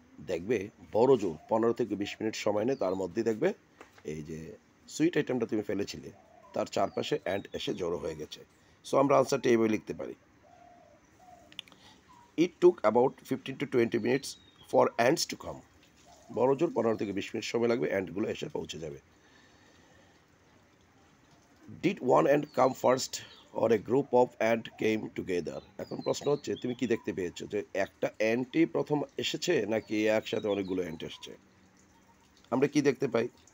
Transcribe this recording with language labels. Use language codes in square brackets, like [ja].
[bn] দেখবে বড় জোর 15 থেকে 20 মিনিট সময় নেই, তার মধ্যেই দেখবে এই যে সুইট আইটেমটা তুমি ফেলেছিলে তার চারপাশে অ্যান্ট এসে জোরো হয়ে গেছে। সো আমরা আনসারটা এইভাবে লিখতে পারি, [en] it took about 15 to 20 minutes for ants to come, [bn] বড় জোর 15 থেকে 20 মিনিট সময় লাগবে অ্যান্টগুলো এসে পৌঁছে যাবে। [en] Did one ant come first or a group of ant came together? [bn] এখন প্রশ্ন হচ্ছে তুমি কী দেখতে পেয়েছো, যে একটা অ্যান্টই প্রথম এসেছে নাকি একসাথে অনেকগুলো অ্যান্ট এসেছে? আমরা কী দেখতে পাই?